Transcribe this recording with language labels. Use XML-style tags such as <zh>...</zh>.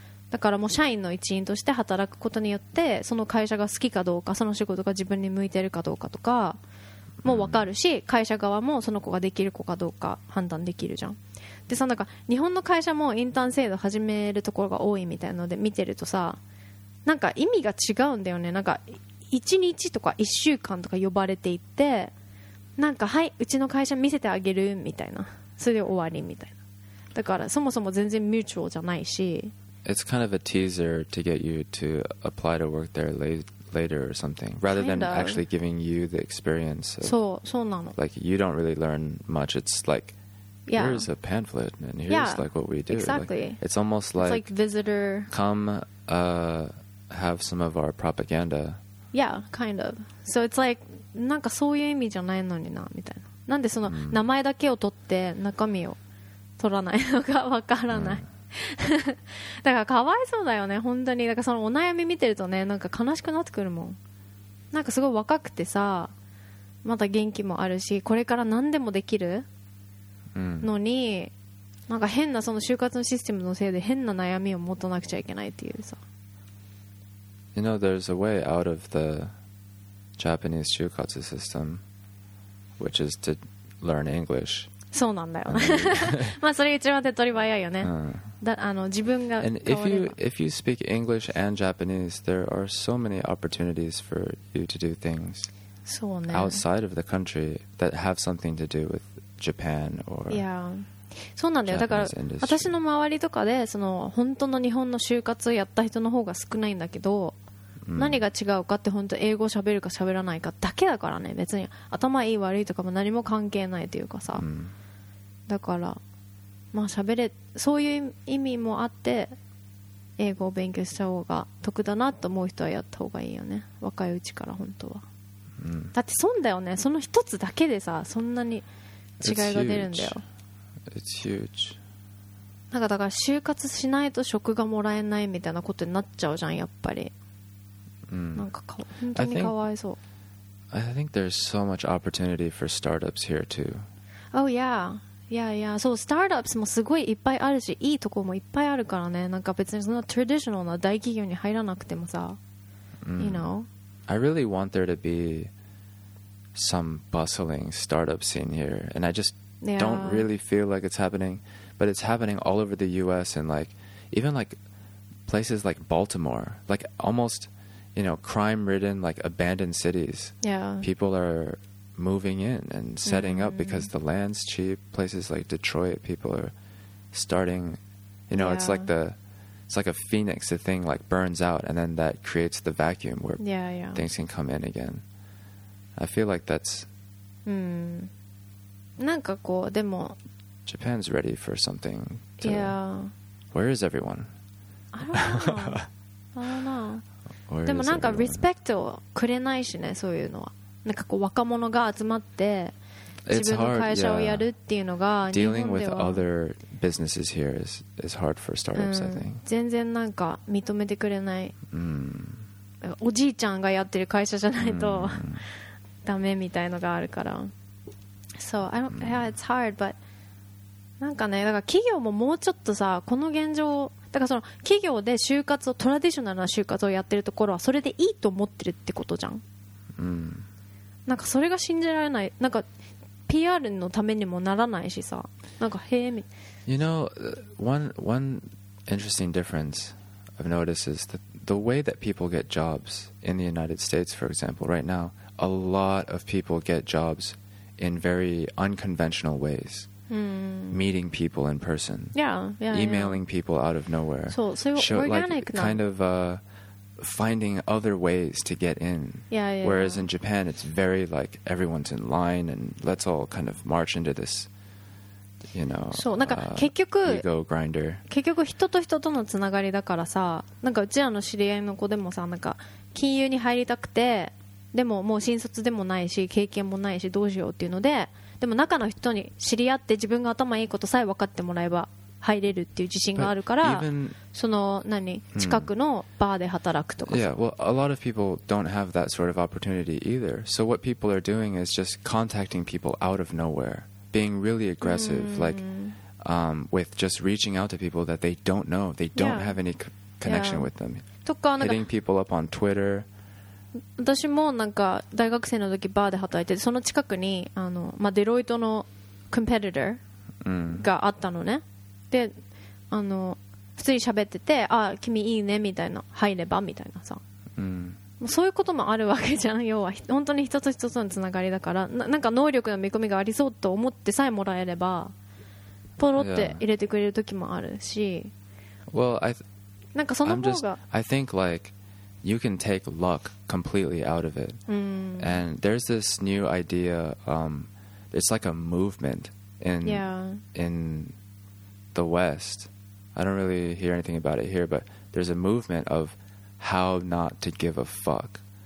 <ja>だからもう社員の一員として働くことによってその会社が好きかどうかその仕事が自分に向いてるかどうかとかも分かるし会社側もその子ができる子かどうか判断できるじゃんでさなんか日本の会社もインターン制度始めるところが多いみたいなので見てるとさなんか意味が違うんだよねなんか1日とか1週間とか呼ばれていってなんかはいうちの会社見せてあげるみたいなそれで終わりみたいなだからそもそも全然ミューチュアルじゃないし</ja> <en>It's kind of a teaser to get you to apply to work there later or something rather than actually giving you the experience</en> <ja>そうそうなの</ja> <en>Like you don't really learn much it's like Yeah. Here's a pamphlet, and here's yeah, like what we do. Exactly. Like, it's almost like, it's like visitor. Come, have some of our propaganda. Yeah, kind of. So it's like,</en> <ja>なんかそういう意味じゃないのにな、みたいな。なんでその名前だけを取って中身を取らないのかわからない。だからかわいそうだよね、本当に。だからそのお悩み見てるとね、なんか悲しくなってくるもん。なんかすごい若くてさ、まだ元気もあるし、これから何でもできる。のになんか変なその就活のシステムのせいで変な悩みを持たなくちゃいけないっていうさ</ja> <en>You know, there's a way out of the Japanese 就活 system which is to learn English</en> <ja>そうなんだよねまあそれ一番手っ取り早いよね、だあの自分が</ja> <en>And if you speak English and Japanese there are so many opportunities for you to do things</en> <ja>そうね</ja> <en>outside of the country that have something to do withJapan or yeah.</en> <ja>そうなんだよ。だから私の周りとかでその本当の日本の就活をやった人の方が少ないんだけど、何が違うかって本当英語喋るか喋らないかだけだからね。別に頭いい悪いとかも何も関係ないというかさ。だからまあ喋れそういう意味もあって英語を勉強した方が得だなと思う人はやった方がいいよね。若いうちから本当は。だって損だよね。その一つだけでさそんなに。違いが出るんだよ。</ja> <en>It's huge.</en> <ja>なんかだから就活しないと職がもらえないみたいなことになっちゃうじゃんやっぱり。なんか本当にかわいそう。</ja> <en>I think there's so much opportunity for startups here too. Oh yeah, yeah, yeah.</en> <ja>そう、スタートアップもすごいいっぱいあるし、いいところもいっぱいあるからね。なんか別にそんなトラディショナルな大企業に入らなくてもさ、</ja> <en>you know. I really want there to be. Some bustling startup scene here, and I just don't really feel like it's happening. But it's happening all over the U.S. and like even like places like Baltimore, like almost you know crime-ridden, like abandoned cities. Yeah, people are moving in and setting up because the land's cheap. Places like Detroit, people are starting. You know, it's like the it's like a phoenix. The thing like burns out, and then that creates the vacuum where things can come in again. I feel like that's.</en> <ja>なんかこうでも</ja> <en>Japan's ready for something. To... Yeah. Where is everyone? I don't know.</en> <ja>でもなんか respect をくれないしね、そういうのは。なんかこう若者が集まって、自分の会社をやるっていうのが日本では</ja> <en>Dealing with other businesses here is hard for startups, I think.</en> <ja>全然なんか認めてくれない、おじいちゃんがやってる会社じゃないとダメみたいのがあるから</ja> <en>So, I don't, yeah, it's hard, but</en> <ja>なんかね、だから企業ももうちょっとさ、この現状を、だからその企業で就活を、トラディショナルな就活をやってるところはそれでいいと思ってるってことじゃん。なんかそれが信じられない。なんか PR のためにもならないしさ、なんかへえみ。</ja> <en>You know, one interesting difference I've noticed is that the way that people get jobs in the United States, for example, right now, a lot of people get jobs in very unconventional ways. Meeting people in person. Emailing people out of nowhere. So, so organic, like, kind of finding other ways to get in. Whereas in Japan, it's very like everyone's in line and let's all kind of march into this, you know.</en> <ja>So, なんか結局、</ja> <en>ego grinder.</en> <ja>結局人と人とのつながりだからさ、なんかうちらの知り合いの子でもさ、なんか金融に入りたくて、でももう新卒でもないし経験もないしどうしようっていうので。でも中の人に知り合って自分が頭いいことさえ分かってもらえば入れるっていう自信があるから、その何近くのバーで働くとか。</ja> <en>Yeah, well, a lot of people don't have that sort of opportunity either. So what people are doing is just contacting people out of nowhere, being really aggressive, like, with just reaching out to people that they don't know, they don't have any connection with them. Hitting people up on Twitter.</en> <ja>私もなんか大学生の時バーで働いて、その近くにあの、まあ、デロイトのコンペティターがあったのね。で、あの普通に喋ってて、あ、君いいねみたいな、入ればみたいなさ、そういうこともあるわけじゃん。要は本当に一つ一つのつながりだから、 なんか能力の見込みがありそうと思ってさえもらえればポロって入れてくれる時もあるし、なんかその方が</ja> <en>I think likeYou can take luck completely out of it. And there's this new idea, it's like a movement in the West. I don't really hear anything about it here, but there's a movement of how not to give a fuck.</en>